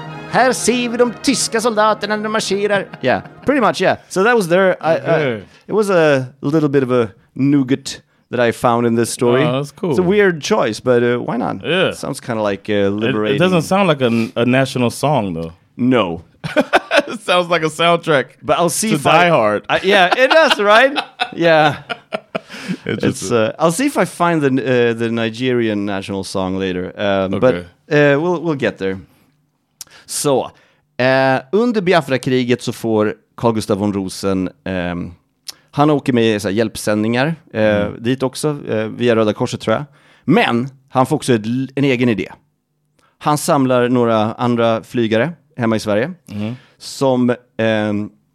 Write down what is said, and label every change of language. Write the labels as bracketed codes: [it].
[sv] Här ser vi de tyska soldaterna när de marscherar. [en] Yeah, pretty much, yeah. So that was there. It was a little bit of a nougat that I found in this story. Oh, that's cool. It's a weird choice, but why not? Yeah. Sounds kind of like liberating. It doesn't sound like a national song, though. No. It sounds like a soundtrack. But I'll see to if Die I, Hard. Yeah, it does, right? Yeah. I'll see if I find the Nigerian national song later. Okay. But we'll get there. [sv] Så, under Biafra-kriget så får Carl Gustav von Rosen, han åker med så här, hjälpsändningar dit också, via Röda Korset tror jag. Men han får också en egen idé. Han samlar några andra flygare hemma i Sverige som har...